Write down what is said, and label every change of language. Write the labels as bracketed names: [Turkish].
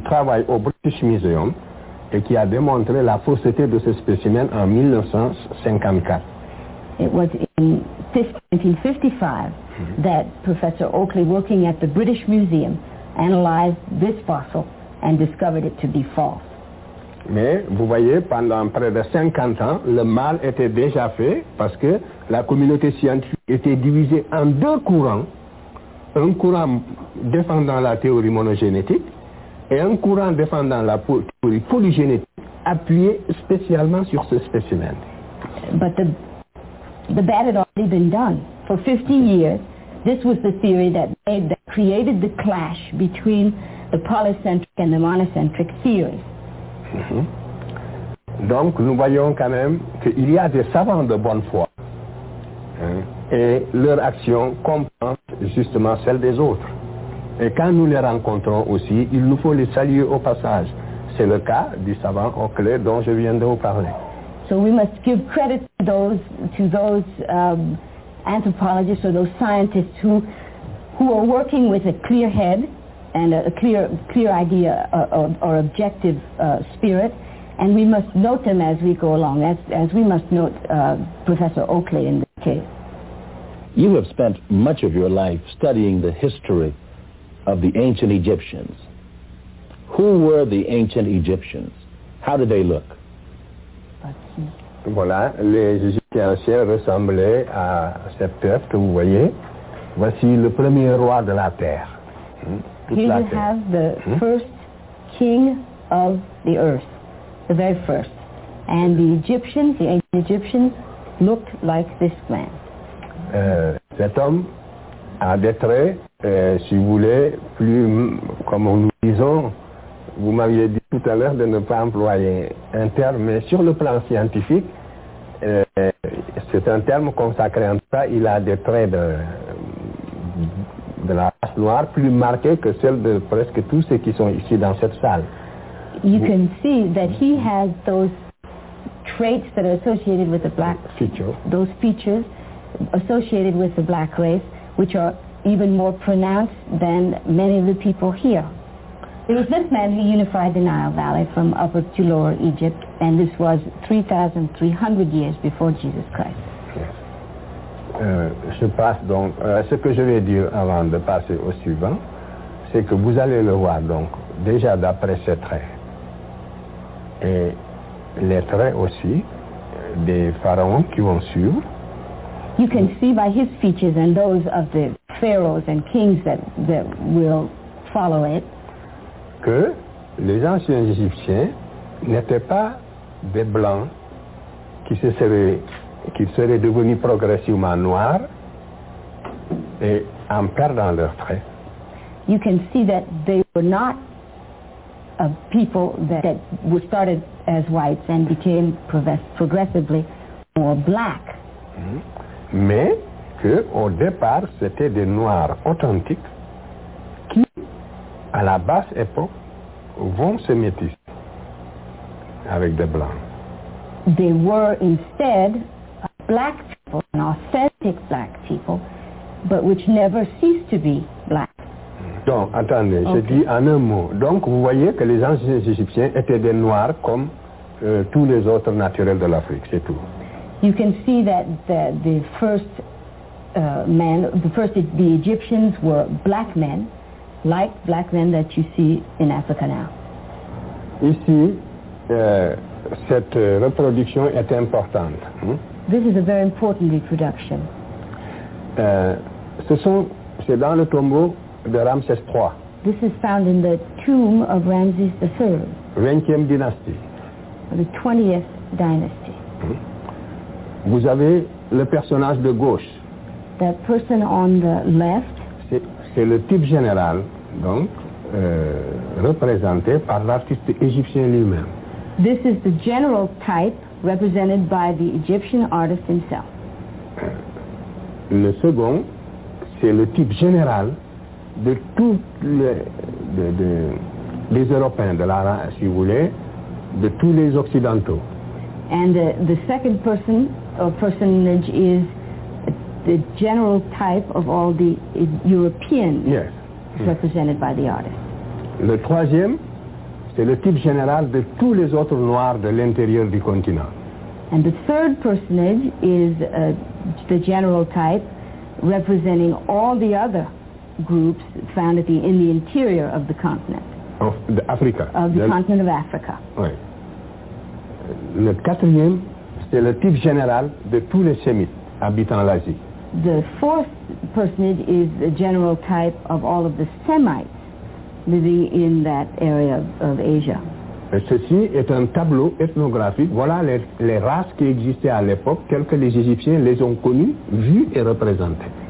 [French] travaille au British Museum et qui a démontré la fausseté de ce spécimen en 1954. [English] It was in 1955 that Professor Oakley, working at the British Museum, analyzed this fossil and discovered it to be false. [French] Mais vous voyez, pendant près de 50 ans, le mal était déjà fait parce que la communauté scientifique était divisée en deux courants. Un courant défendant la théorie monogénétique et un courant défendant la théorie polygénétique appuyé spécialement sur ce spécimen. [English] But the bad had already been done. For 50 years, this was the theory that created the clash between the polycentric and the monocentric theories. [French] Donc nous voyons quand même qu'il y a des savants de bonne foi et leur action compense justement celle des autres. Et quand nous les rencontrons aussi, il nous faut les saluer au passage. C'est le cas du savant Oakley dont je viens de vous parler. [English] So we must give credit to those anthropologists or those scientists who are working with a clear head and a clear idea or objective spirit, and we must note them as we go along, as we must note Professor Oakley in this case. You have spent much of your life studying the history of the ancient Egyptians. Who were the ancient Egyptians? How did they look? [French] Voilà, les Égyptiens anciens ressemblaient à cet peuple que vous voyez. Voici le premier roi de la terre. [English] Here you have the first king of the earth, the very first. And the Egyptians, the ancient Egyptians, looked like this man. [French] Cet homme a des traits, si vous voulez, plus, comme nous disons, vous m'aviez dit tout à l'heure de ne pas employer un terme, mais sur le plan scientifique, c'est un terme consacré en ça, il a des traits de la race noire plus marquée que celle de presque tous ceux qui sont ici dans cette salle. [English] You can see that he has those traits that are associated with the black features. Those features associated with the black race, which are even more pronounced than many of the people here. It was this man who unified the Nile Valley from upper to lower Egypt, and this was 3,300 years before Jesus Christ. [French] Je passe donc, ce que je vais dire avant de passer au suivant, c'est que vous allez le voir donc déjà d'après ses traits et les traits aussi des pharaons qui vont suivre. [English] You can see by his features and those of the pharaohs and kings that will follow it [French] que les anciens Égyptiens n'étaient pas des blancs qui seraient devenus progressivement noirs et en perdant leur trait. [English] You can see that they were not a people that were started as whites and became progressively more black. [French] Mais que au départ c'était des noirs authentiques qui, à la basse époque, vont se métisser avec des blancs. [English] They were instead a black people, an authentic black people, but which never ceased to be black. [French] Donc, attendez, okay. Je dis en un mot. Donc, vous voyez que les anciens Égyptiens étaient des Noirs comme tous les autres naturels de l'Afrique, c'est tout. [English] You can see that the first men, the first the Egyptians were black men, like black men that you see in Africa now. [French] Ici, cette reproduction est importante. Hmm? [English] This is a very important reproduction. [French] C'est dans le tombeau de Ramsès III. [English] This is found in the tomb of Ramses III. [French] 20e dynastie. [English] The 20th dynasty. [French] Vous avez le personnage de gauche. [English] That person on the left. [French] C'est le type général, donc, représenté par l'artiste égyptien lui-même. [English] This is the general type represented by the Egyptian artist himself. [French] Le second, c'est le type général de tous les Européens, de la race, si vous voulez, de tous les Occidentaux. [English] And the second person or personage is the general type of all the Europeans, yes, represented by the artist. [French] Le troisième, c'est le type général de tous les autres Noirs de l'intérieur du continent. [English] And the third personage is the general type representing all the other groups found at in the interior of the continent. Of the Africa. Of the continent of Africa. [French] Oui. Le quatrième, c'est le type général de tous les Sémites habitant l'Asie. [English] The fourth personage is the general type of all of the Semites living in that area of Asia. [French] Et ceci est un tableau ethnographique. Voilà les races qui existaient à l'époque, telles que les Égyptiens les ont connues, vues et représentées.